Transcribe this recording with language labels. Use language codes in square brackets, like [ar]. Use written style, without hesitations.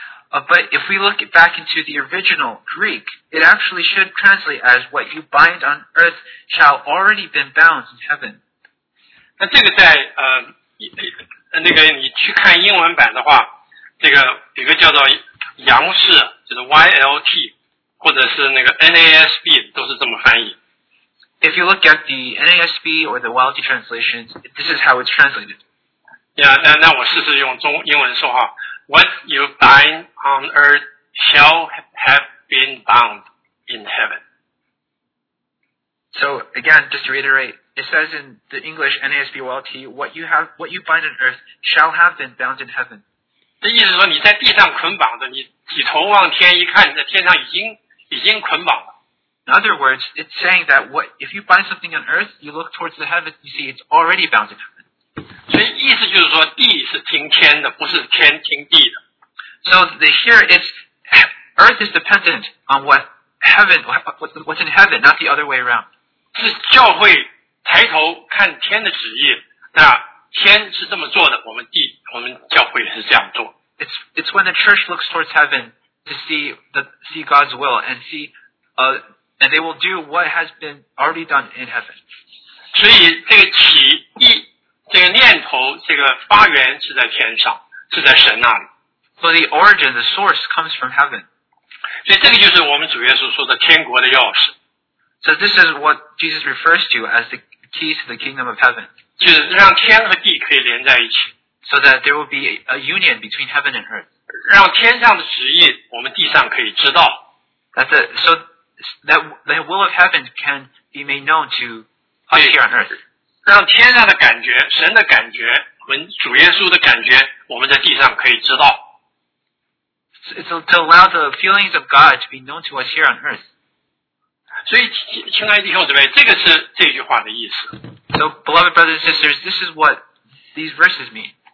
[en] But if we look back into the original Greek, it actually should translate as what you bind on earth shall already been bound in heaven. [zh] 那这个在那个你去看英文版的话，这个有个叫做杨氏，就是 YLT, 或者是那个 NASB, 都是这么翻译。 [en] If you look at the NASB or the YLT translations, this is how it's translated. [zh] Yeah, 那我试试用中英文说话。 [en] What you bind on earth shall have been bound in heaven. So again, just to reiterate, it says in the English NASB YLT, what you bind on earth shall have been bound in heaven. [zh] 这意思说你在地上捆绑的，你举头望天一看，你在天上已经捆绑了。 [en] In other words, it's saying that if you bind something on earth, you look towards the heaven, you see it's already bound in heaven. [zh] 所以意思就是说地是听天的，不是天听地的。 [en] So here is earth is dependent on what heaven, what's in heaven, not the other way around. [zh] 是教会抬头看天的旨意，那天是这么做的，我们教会也是这样做。 [en] It's when the church looks towards heaven to see God's will and see, and they will do what has been already done in heaven. [zh] 所以这个起义这个念头，这个发源是在天上，是在神那里。 [en] So the origin, the source comes from heaven. [zh] 所以这个就是我们主耶稣说的天国的钥匙。 [en] So this is what Jesus refers to as the keys to the kingdom of heaven. [zh] 就是让天和地可以连在一起。 [en] So that there will be a union between heaven and earth. [zh] 让天上的旨意，我们地上可以知道。 [en] So that the will of heaven can be made known to us here on earth. [zh] 让天上的感觉，神的感觉，我们主耶稣的感觉，我们在地上可以知道。 [en] It's to allow the feelings of God to be known to us here on earth. [zh] 所以，亲爱的弟兄姊妹，这个是这句话的意思。 [en] So, beloved brothers and sisters, this is what these verses mean.